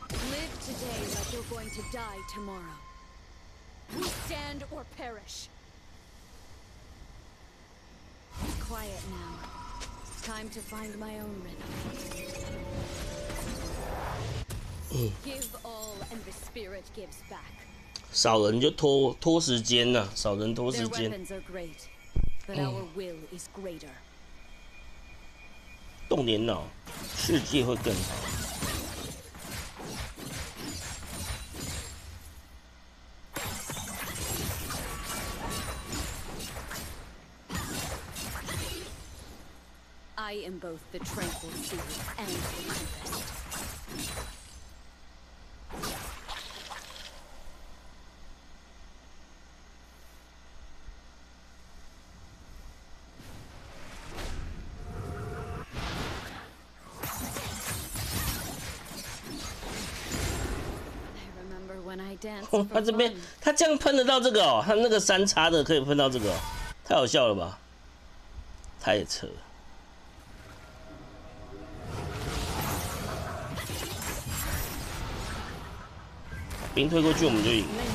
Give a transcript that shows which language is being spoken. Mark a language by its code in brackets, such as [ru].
[en] Live today, but you're going to die tomorrow. We stand or perish. Quiet now. Time to find my own rhythm. Give all, and the spirit gives back. [zh] 少人就拖时间呐，少人拖时间。 [en] Their weapons are great, but our will is greater. [zh] 动点脑，世界会更好。 [en] I am both the tranquil shield and the tempest. I remember when I danced. [zh] 他这边他这样喷得到这个哦，他那个三叉的可以喷到这个、哦，太好笑了吧？太扯了。兵推过去，我们就赢。